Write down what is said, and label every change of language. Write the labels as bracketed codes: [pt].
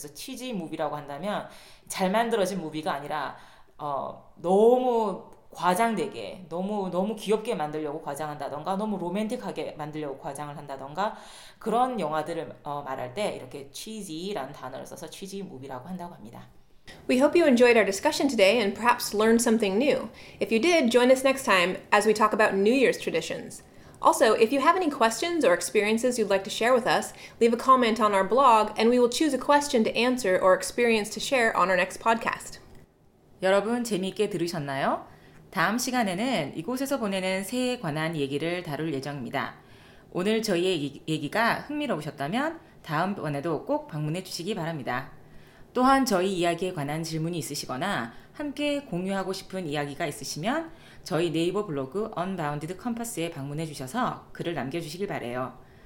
[ko] 그래서 치지 무비라고 한다면 잘 만들어진 무비가 아니라 너무 과장되게 너무 귀엽게 만들려고 과장한다던가 너무 로맨틱하게 만들려고 과장을 한다던가 그런 영화들을 말할 때 이렇게 cheesy라는 단어를 써서 cheesy movie라고 한다고 합니다. [en] We hope you enjoyed our discussion today and perhaps learned something new. If you did, join us next time as we talk about New Year's traditions. Also, if you have any questions or experiences you'd like to share with us, leave a comment on our blog and we will choose a question to answer or experience to share on our next podcast. [ko] 여러분, 재미있게 들으셨나요? 다음 시간에는 이곳에서 보내는 새해에 관한 얘기를 다룰 예정입니다. 오늘 저희의 얘기가 흥미로우셨다면 다음번에도 꼭 방문해 주시기 바랍니다. 또한 저희 이야기에 관한 질문이 있으시거나 함께 공유하고 싶은 이야기가 있으시면 저희 네이버 블로그 Unbounded Compass에 방문해 주셔서 글을 남겨주시길 바래요.